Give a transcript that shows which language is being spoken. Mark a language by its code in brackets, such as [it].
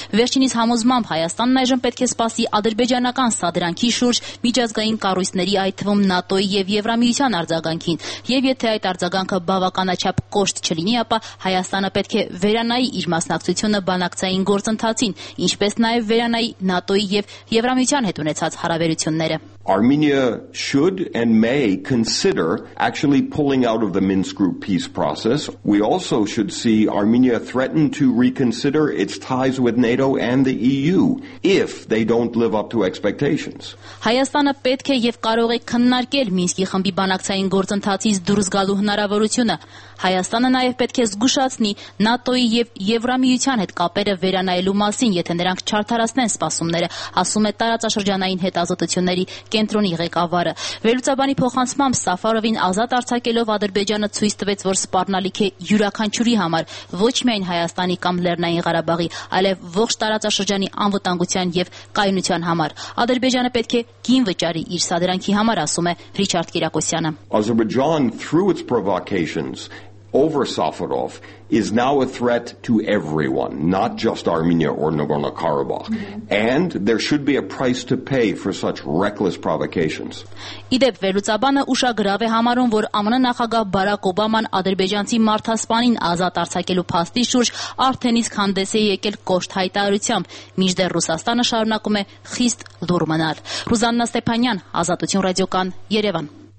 [hy] Վերջինիս համոզմամբ Հայաստանն այժմ պետք է սպասի ադրբեջանական սադրանքի շուրջ միջազգային կառույցների, այդ թվում ՆԱՏՕ-ի և Եվրամիության արձագանքին, և եթե այդ արձագանքը բավականաչափ կոշտ չլինի, ապա Հայաստանը պետք է վերանայի իր մասնակցությունը բանակցային գործընթացին, ինչպես նաև վերանայի ՆԱՏՕ-ի և Եվրամիության հետ ունեցած հարաբերությունները։ [en] Armenia should and may consider actually pulling out of the Minsk Group peace process. We also should see Armenia threaten to reconsider its ties with NATO and the EU if they don't live up to expectations. [hy] Հայաստանը պետք է եւ կարող է քննարկել Մինսկի խմբի բանակցային գործընթացից դուրս գալու հնարավորությունը։ Հայաստանը նաեւ պետք է զգուշացնի ՆԱՏՕ-ի եւ Եվրամիության հետ կապերը վերանայելու մասին, եթե նրանք չարդարացնեն սպասումները, ասում է տարածաշրջանային հետազոտությունների կենտրոնի ղեկավարը։ Վելուցաբանի փոխանցմամբ Սաֆարովին ազատ արձակելով Ադրբեջանը ցույց տվեց, որ սպառնալիք է յուրաքանչյուրի համար, ոչ միայն Հայաստանի կամ Լեռնային Ղարաբաղի, այլև ողջ տարածաշրջանի անվտանգության և կայունության համար։ Ադրբեջանը պետք է գին վճարի իր սադրանքի համար, ասում է Ռիչարդ Կիրակոսյանը։ [en] Ադրբեջան through its provocations over Safarov is now a threat to everyone, not just Armenia or Nagorno-Karabakh. And there should be a price to pay for such reckless provocations. [hy] Իդեպ վերուցաբանը ուշագրավ է համարում, որ ԱՄՆ նախագահ Բարակ Օբաման ադրբեջանցի մարդասպանին ազատ արձակելու փաստի շուրջ արդեն իսկ հանդես է եկել կոշտ հայտարարությամբ, մինչդեռ Ռուսաստանը շարունակում է խիստ լուր մնալ։ Ռուզաննա Ստեփանյան, Ազատություն ռադիոկան, Երևան։